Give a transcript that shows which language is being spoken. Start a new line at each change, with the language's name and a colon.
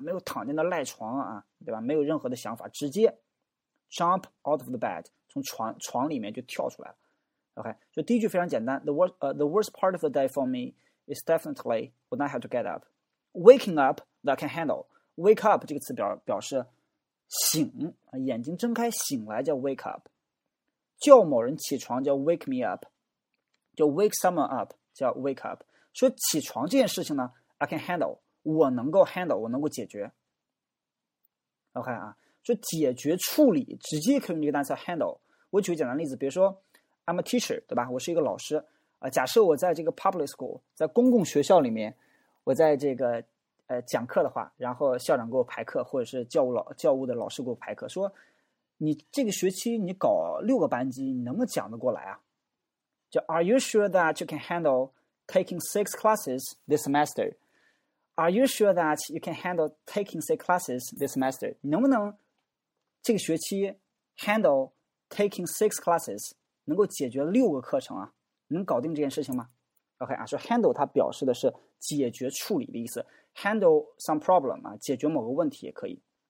Chinese: 没有躺在那赖床啊，对吧？没有任何的想法，直接。
English: Jump out of the bed，
Chinese: 从床里面就跳出来了。 OK， 所以第一句非常简单。
English: The worst part of the day for me is definitely when I have to get up. Waking up that I can handle.
Chinese: Wake up 这个词表示醒，眼睛睁开醒来叫 wake up。叫某人起床叫 wake me up， 叫 wake someone up 叫 wake up。说起床这件事情呢 ，
English: I can handle，
Chinese: 我能够 handle， 我能够解决。OK 啊。就解决处理直接可以用这个单词 handle。我举个简单例子，比如说
English: I'm a teacher，
Chinese: 对吧？我是一个老师、假设我在这个 public school， 在公共学校里面，我在这个、讲课的话，然后校长给我排课，或者是教务的老师给我排课，说你这个学期你搞六个班级，你能不能讲得过来啊？
English: 就 Are you sure that you can handle taking six classes this semester？ Are you sure that you can handle taking six classes this semester?
Chinese: 能不能这个学期
English: handle taking six classes?
Chinese: 能够解决六个课程啊？能搞定这件事情吗 ？OK 啊，说 handle 它表示的是解决处理的意思 ，
English: handle some problem
Chinese: 啊，解决某个问题也可以。